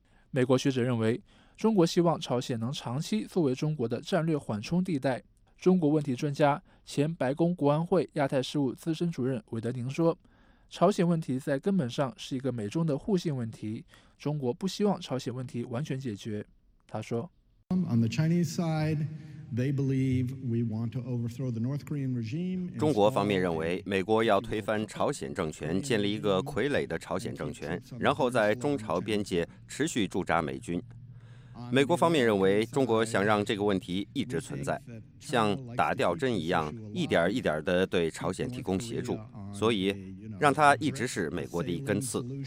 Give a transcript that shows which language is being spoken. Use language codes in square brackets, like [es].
[zh] 美国学者认为，中国希望朝鲜能长期作为中国的战略缓冲地带。中国问题专家、前白宫国安会亚太事务资深主任韦德宁说，朝鲜问题在根本上是一个美中的互信问题，中国不希望朝鲜问题完全解决。他说 [en] On the Chinese side, they believe we want to overthrow the North Korean regime. [zh] 中国方面认为美国要推翻朝鲜政权，建立一个傀儡的朝鲜政权，然后在中朝边界持续驻扎美军。美国方面认为中国想让这个问题一直存在，像打吊针一样一点一点地对朝鲜提供协助，所以让它一直是美国的一根刺。